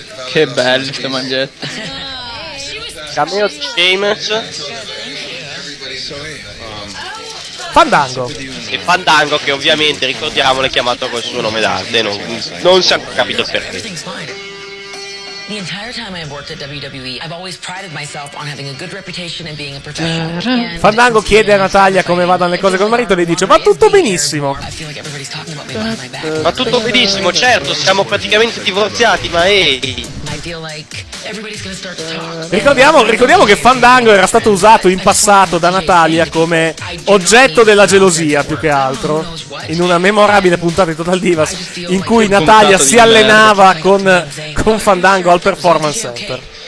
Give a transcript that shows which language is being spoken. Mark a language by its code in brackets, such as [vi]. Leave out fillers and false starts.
[it] Che belle queste magliette. Cameo Sheamus. Fandango. E Fandango, che ovviamente ricordiamo l'è chiamato col suo nome d'arte, non si è capito perché. [en] The entire time I have worked at WWE, I've always prided myself on having a good reputation and being a professional. [it] Fandango chiede a Natalia come vadano le cose col marito, le dice: va tutto benissimo. Va tutto benissimo, certo, siamo praticamente divorziati, ma ehi. Ricordiamo che Fandango era stato usato in passato da Natalia come oggetto della gelosia, più che altro in una memorabile puntata di Total Divas in cui Natalia si allenava con Fandango al Performance Center.